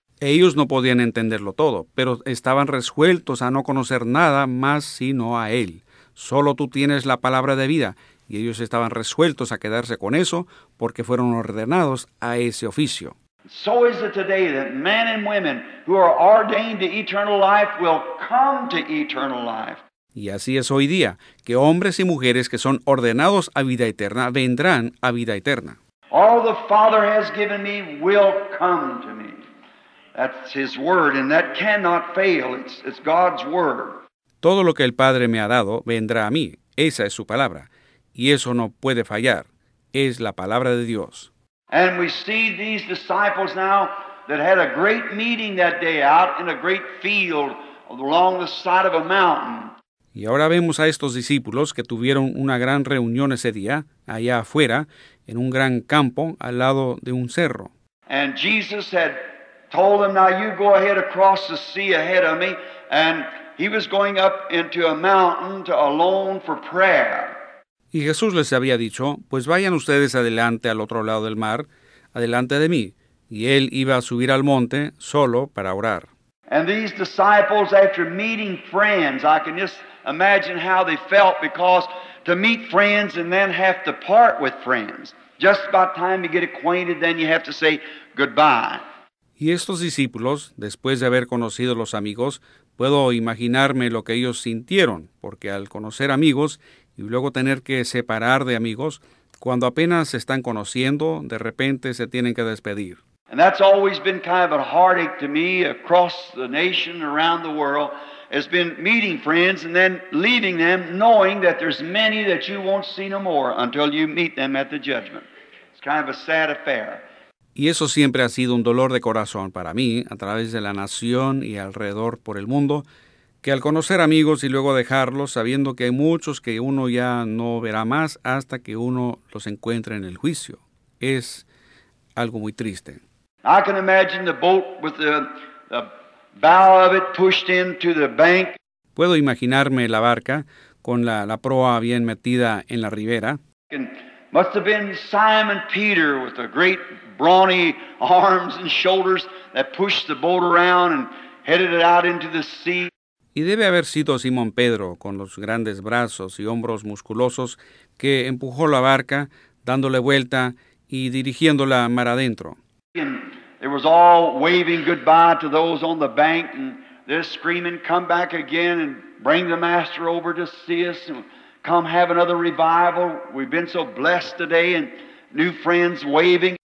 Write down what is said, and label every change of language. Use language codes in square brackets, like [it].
[es] Ellos no podían entenderlo todo, pero estaban resueltos a no conocer nada más sino a Él. Solo tú tienes la palabra de vida. Y ellos estaban resueltos a quedarse con eso porque fueron ordenados a ese oficio. [en] So is it today that men and women who are ordained to eternal life will come to eternal life. [es] Y así es hoy día, que hombres y mujeres que son ordenados a vida eterna vendrán a vida eterna. [en] All the Father has given me will come to me. That's His word, and that cannot fail. It's God's word. [es] Todo lo que el Padre me ha dado vendrá a mí. Esa es su palabra. Y eso no puede fallar. Es la palabra de Dios. [en] And we see these disciples now that had a great meeting that day out in a great field along the side of a mountain. [es] Y ahora vemos a estos discípulos que tuvieron una gran reunión ese día, allá afuera, en un gran campo al lado de un cerro. [en] And Jesus had told them, now you go ahead across the sea ahead of me. And he was going up into a mountain to alone for prayer. [es] Y Jesús les había dicho, pues vayan ustedes adelante al otro lado del mar, adelante de mí. Y él iba a subir al monte solo para orar. [en] And these disciples, after meeting friends, I can just imagine how they felt, because to meet friends and then have to part with friends. Just about time you get acquainted, then you have to say goodbye. [es] Y estos discípulos, después de haber conocido los amigos, puedo imaginarme lo que ellos sintieron, porque al conocer amigos y luego tener que separar de amigos, cuando apenas se están conociendo, de repente se tienen que despedir. [en] And that's always been kind of a heartache to me across the nation, around the world. It's been meeting friends and then leaving them, knowing that there's many that you won't see no more until you meet them at the judgment. It's kind of a sad affair. [es] Y eso siempre ha sido un dolor de corazón para mí, a través de la nación y alrededor por el mundo, que al conocer amigos y luego dejarlos, sabiendo que hay muchos que uno ya no verá más hasta que uno los encuentre en el juicio, es algo muy triste. [en] I can imagine the boat with the bow of it pushed into the bank. [es] Puedo imaginarme la barca con la proa bien metida en la ribera. [en] And must have been Simon Peter with the great brawny arms and shoulders that pushed the boat around and headed it out into the sea. [es] Y debe haber sido Simón Pedro, con los grandes brazos y hombros musculosos, que empujó la barca, dándole vuelta y dirigiéndola mar adentro. [en] And it was all waving goodbye to those on the bank, and they're screaming, come back again and bring the master over to see us, and come have another revival. We've been so blessed today, and new friends waving.